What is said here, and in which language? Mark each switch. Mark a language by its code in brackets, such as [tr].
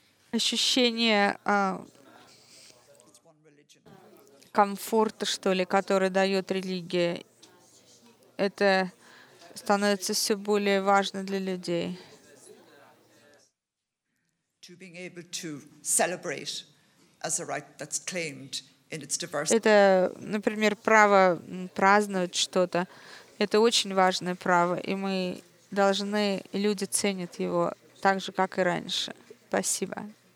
[ru] Ощущение комфорта, что ли, который дает религия, это становится все более важно для людей. [en] To being able to celebrate as a right that's claimed in its diversity. [ru] Это, например, право праздновать что-то. Это очень важное право, и мы должны, и люди ценят его так же, как и раньше. Спасибо.